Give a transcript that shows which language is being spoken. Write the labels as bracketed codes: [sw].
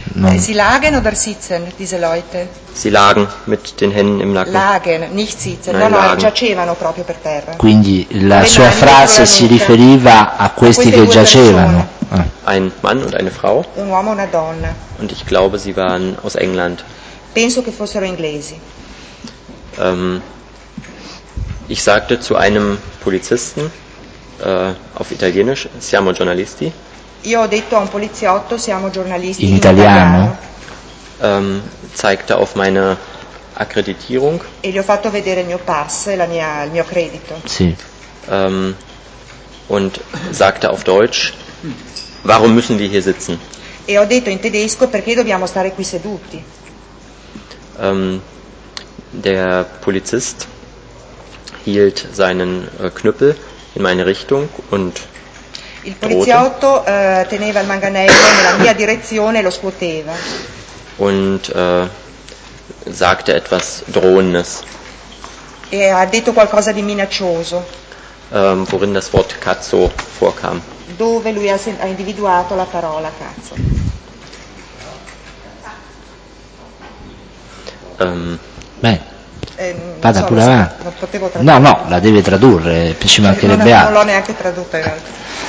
[it] Non... [de] Sie lagen oder sitzen, diese Leute? Sie lagen mit den Händen im Nacken. Lagen, nicht sitzen, nein, [it] no, giacevano proprio per terra. Quindi la Wenn sua frase si riferiva a questi che giacevano. [de] Ein Mann und eine Frau. [it] Un uomo e una donna. [de] Und ich glaube, sie waren aus England. [it] Penso che fossero inglesi. [de] Ich sagte zu einem Polizisten, auf Italienisch, [it] siamo giornalisti. Io ho detto a un poliziotto, siamo giornalisti. In italiano. [de] Zeigte auf meine Akkreditierung. [it] E gli ho fatto vedere il mio pass, il mio credito. Sì. [de] Und sagte auf Deutsch, warum müssen wir hier sitzen? [it] E ho detto in tedesco, perché dobbiamo stare qui seduti? [de] Der Polizist hielt seinen Knüppel in meine Richtung und [it] il poliziotto teneva il manganello nella mia direzione e lo scuoteva. [de] Und sagte etwas Drohendes. [it] E ha detto qualcosa di minaccioso. [de] Worin das Wort cazzo vorkam. [it] Dove lui ha individuato la parola cazzo. Vada pure avanti. Non potevo tradurre. La deve tradurre, ci mancherebbe altro. Non l'ho neanche tradotta in realtà.